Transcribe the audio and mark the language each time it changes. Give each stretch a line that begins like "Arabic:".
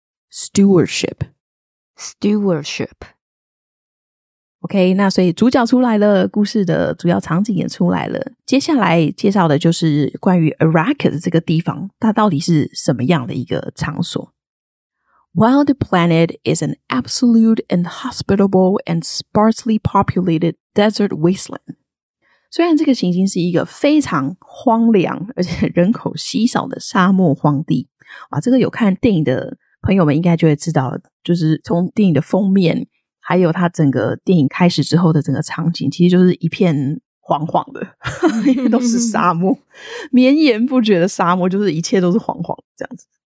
English: stewardship stewardship。
Chinese: OK， 那所以主角出来了，故事的主要场景也出来了，接下来介绍的就是关于 Arrakis 这个地方，它到底是什么样的一个场所。
English: While the planet is an absolute inhospitable and sparsely populated desert wasteland，
Chinese: 虽然这个行星是一个非常荒凉而且人口稀少的沙漠荒地，哇，这个有看电影的朋友们应该就会知道，就是从电影的封面还有他整个电影开始之后的整个场景，其实就是一片黄黄的，因为都是沙漠，绵延不绝的沙漠，就是一切都是黄黄的这样子。